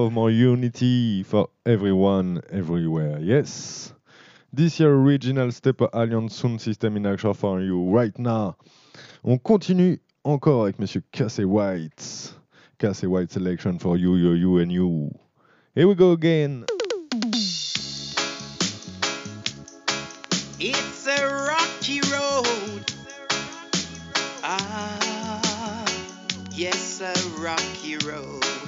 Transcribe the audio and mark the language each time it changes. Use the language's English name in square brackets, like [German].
[English] Unity for everyone, everywhere, yes. This year original Stepper Alliance Sound System in action for you right now. [French] On continue encore avec Monsieur Casey White. [English] Casey White selection for you, you, you and you. Here we go again. It's a rocky road. Ah, yes, a rocky road.